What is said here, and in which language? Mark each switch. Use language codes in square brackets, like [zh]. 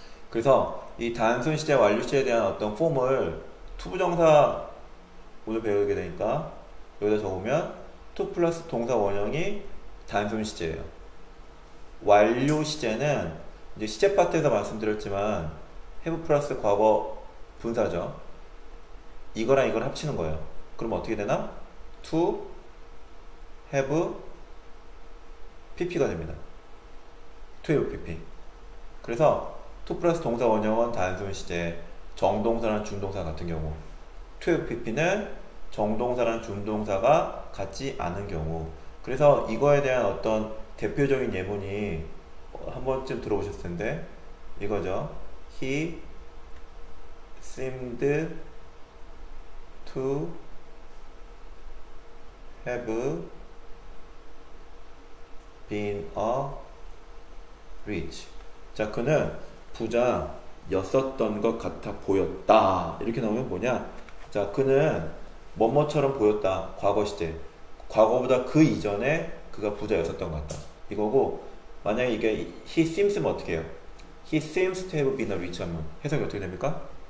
[ko] 그래서 이 단순 시제, 완료 시제에 대한 어떤 폼을 투부정사 오늘 배우게 되니까 여기다 적으면 투 플러스 동사 원형이 단순 시제예요. 완료 시제는 이제 시제 파트에서 말씀드렸지만 have 플러스 과거 분사죠. 이거랑 이걸 합치는 거예요. 그럼 어떻게 되나? [en] to have pp가 [ko] 됩니다. [en] to have pp. [ko] 그래서 to 플러스 동사 원형은 단순 시제, 정동사랑 준동사 같은 경우, to have pp는 정동사랑 준동사가 같지 않은 경우. 그래서 이거에 대한 어떤 대표적인 예문이 한 번쯤 들어보셨을 텐데, 이거죠. [en] He seemed to have been a rich. [ko] 자, 그는 부자였었던 것 같아 보였다. 이렇게 나오면 뭐냐? 자, 그는 뭐뭐처럼 보였다. 과거 시제. 과거보다 그 이전에 그가 부자였었던 것 같다. 이거고, 만약에 이게 [en] he seems [ko] 면 어떻게 해요? [en] He seems to have been a rich [ko] 하면 해석이 어떻게 됩니까?